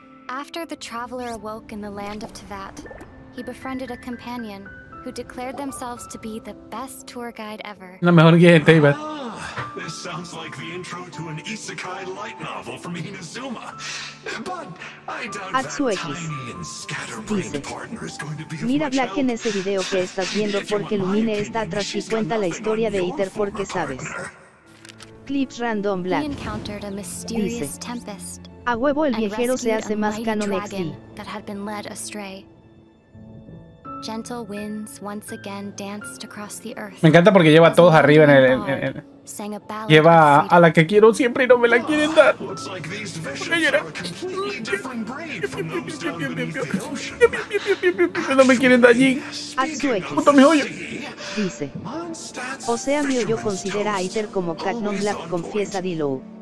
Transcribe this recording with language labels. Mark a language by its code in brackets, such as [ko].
[en] After the traveler awoke in the land of Teyvat, he befriended a companion who declared themselves to be the best tour guide ever. [es] La mejor guía de Teyvat. [en] This sounds like the intro to an isekai light novel from Inazuma. But I doubt that tiny and scatterbrained partner is going to be a [es] Mira Black en ese video que estás viendo porque Lumine está atrás y cuenta la historia de Aether porque sabes. Clips random Black. [en] He encountered a mysterious tempest. [es] A huevo el viajero se hace más canon XD. [en] That had been led astray. Gentle winds once again danced across the earth. [es] Me encanta porque lleva a todos arriba en el lleva a la que quiero siempre y no me la quieren dar. No me quieren dar allí. Junto a mi hoyo. Dice. O sea, mi hoyo considera a Aether como Cagnon Black, confiesa Dilo.